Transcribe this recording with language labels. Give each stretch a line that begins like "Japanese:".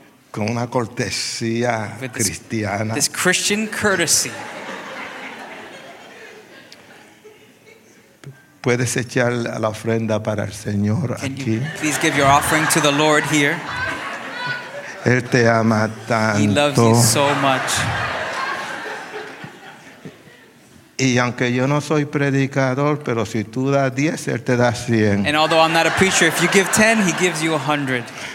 Spanish: con una cortesía cristiana,
English: this Christian courtesy.
Spanish: ¿Puedes echar la ofrenda para el Señor aquí?
English: Can you please give your offering to the Lord here?
Spanish: Él te ama tanto.
English: He loves you so much.
Spanish: Y aunque yo no soy predicador, pero si tú das 10, Él te da 100.
English: And although I'm not a preacher, if you give 10, He gives you 100.